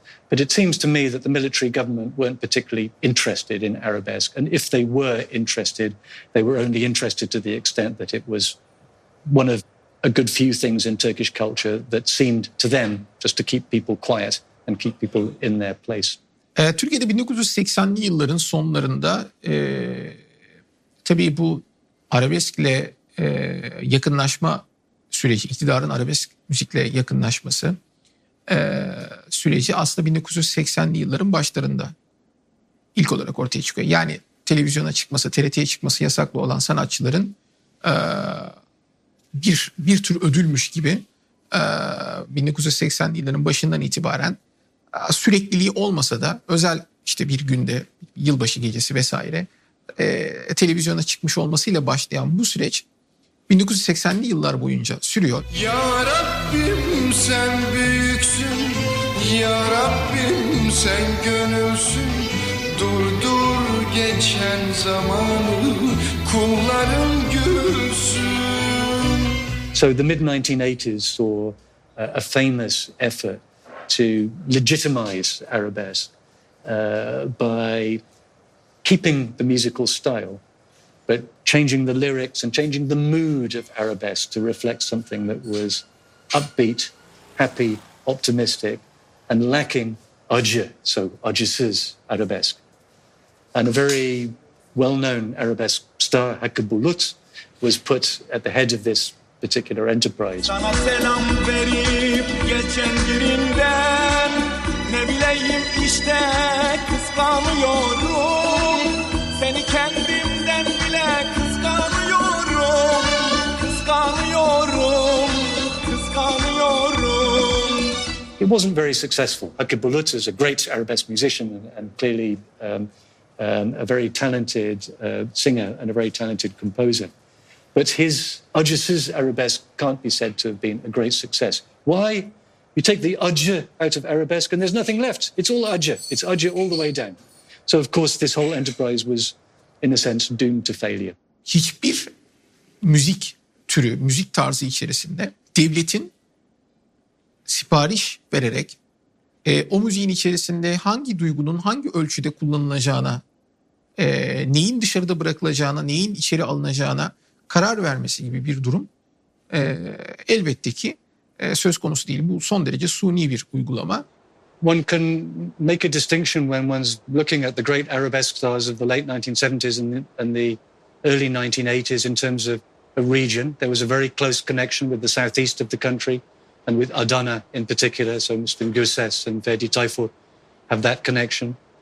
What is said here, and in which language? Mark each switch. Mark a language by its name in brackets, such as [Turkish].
[English] But it seems to me that the military government weren't particularly interested in arabesque. And if they were interested, they were only interested to the extent that it was one of a good few things in Turkish culture that seemed to them just to keep people quiet and keep people in their place. [Turkish] Türkiye'de 1980'li yılların sonlarında tabii bu arabeskle yakınlaşma süreci, iktidarın arabesk müzikle yakınlaşması süreci aslında 1980'li yılların başlarında ilk olarak ortaya çıkıyor. Yani televizyona çıkması, TRT'ye çıkması yasaklı olan sanatçıların bir tür ödülmüş gibi 1980'li yılların başından itibaren sürekliliği olmasa da özel işte bir günde, yılbaşı gecesi vesaire televizyona çıkmış olmasıyla başlayan bu süreç 1980'li yıllar boyunca sürüyor. Ya Rabbim sen büyüksün, ya Rabbim sen gönülsün, durdur geçen zamanı, kullarım gülsün. [English] So the mid-1980s saw a famous effort to legitimize arabesque by keeping the musical style, but changing the lyrics and changing the mood of arabesque to reflect something that was upbeat, happy, optimistic, and lacking acı, so acısız arabesque. And a very well-known arabesque star, Hakkı Bulut, was put at the head of this particular enterprise. [Turkish] Sana selam verip geçen günümden, ne bileyim işte kıskanıyorum. Seni kendimden bile kıskanıyorum, kıskanıyorum, kıskanıyorum. [English] It wasn't very successful. Hakkı Bulut is a great arabesque musician and clearly a very talented singer and a very talented composer. But his acısız arabesque can't be said to have been a great success. Why? You take the acı out of arabesque and there's nothing left. It's all acı. It's acı all the way down. So of course this whole enterprise was in a sense doomed to failure. [Turkish] Hiçbir müzik türü, müzik tarzı içerisinde devletin sipariş vererek o müziğin içerisinde hangi duygunun hangi ölçüde kullanılacağına, neyin dışarıda bırakılacağına, neyin içeri alınacağına karar vermesi gibi bir durum elbette ki söz konusu değil. Bu son derece suni bir uygulama. [English] One can make a distinction when one's looking at the great arabesque stars of the late 1970s and the early 1980s in terms of a region. There was a very close connection with the southeast of the country and with Adana in particular. So Müslüm Gürses and Ferdi Tayfur have that connection.